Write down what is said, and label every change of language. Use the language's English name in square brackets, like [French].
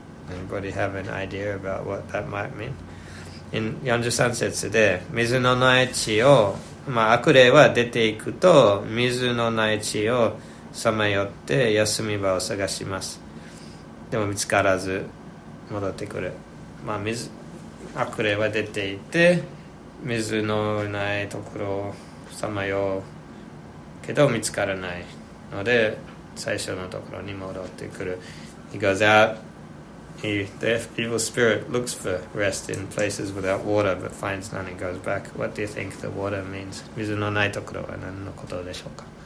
[English] Anybody have an idea about what that might mean? [Japanese] In 43 節で水のない地を、まあ、悪霊は出ていくと水のない地をさまよって休み場を探します。でも見つからず戻ってくる。まあ水、悪霊は出ていて水のないところをさまようけど見つからないので最初のところに戻ってくる。 [English] He goes out, the evil spirit looks for rest in places without water but finds none and goes back. What do you think the water means? [Japanese] 水のないところは何のことでしょうか。